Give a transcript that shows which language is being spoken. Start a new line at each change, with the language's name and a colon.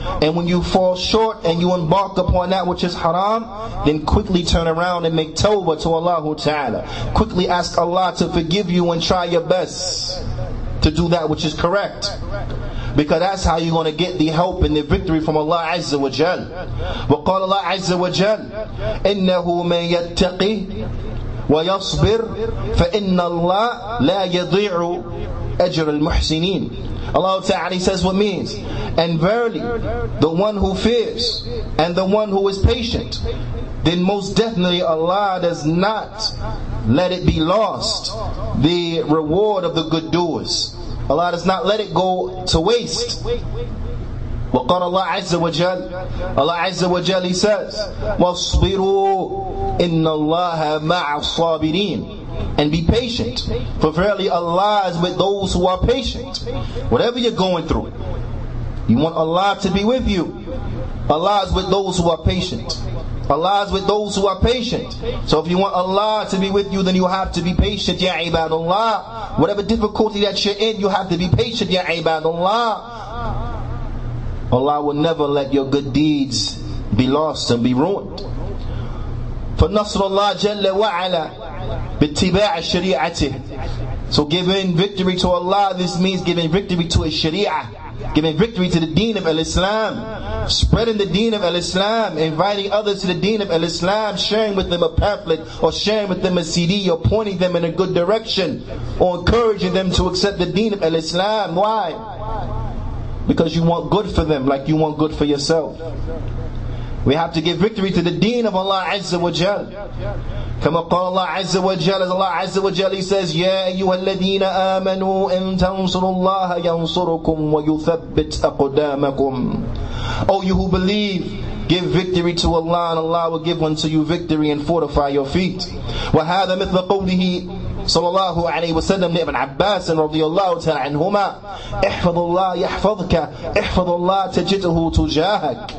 English: And when you fall short and you embark upon that which is haram, then quickly turn around and make tawbah to Allah Ta'ala. Quickly ask Allah to forgive you and try your best to do that which is correct. Because that's how you're going to get the help and the victory from Allah Azza wa Jal.
Arabic: وقال الله عز وجل إنه من يتقي ويصبر فإن الله لا يضيع أجر المحسنين.
English: Allah Ta'ala says what means, and verily the one who fears and the one who is patient, then most definitely Allah does not let it be lost, the reward of the good doers. Allah does not let it go to waste.
Arabic: وقال الله عز وجل الله عز وجل
English: says
Arabic: واصبروا إن الله مع الصابرين.
English: And be patient, for verily Allah is with those who are patient. Whatever you're going through, you want Allah to be with you. Allah is with those who are patient. Allah is with those who are patient. So if you want Allah to be with you, then you have to be patient, ya ibadullah. Whatever difficulty that you're in, you have to be patient, ya ibadullah. Allah will never let your good deeds be lost and be ruined.
Arabic: For Nasrullah Jalla wa'ala bittiba'a shari'atih.
English: So giving victory to Allah, this means giving victory to His sharia, giving victory to the deen of al-Islam, spreading the deen of al-Islam, inviting others to the deen of al-Islam, sharing with them a pamphlet or sharing with them a CD or pointing them in a good direction or encouraging them to accept the deen of al-Islam. Why? Because you want good for them like you want good for yourself. We have to give victory to the deen of Allah Azza wa Jal.
Arabic: كما قال الله عز وجل
English: as Allah عز وجل He says
Arabic: يَا أَيُّهَا الَّذِينَ آمَنُوا إِن تَنْصُرُوا اللَّهَ يَنْصُرُكُمْ وَيُثَبِّتْ أَقْدَامَكُمْ.
English: O you who believe, give victory to Allah and Allah will give unto you victory and fortify your feet.
Arabic: وَهَذَا مِثْلَ قَوْلِهِ صلى الله عليه وسلم لابن عباس رضي الله تعالى عنهما احفظ الله يحفظك احفظ الله تجده تجاهك.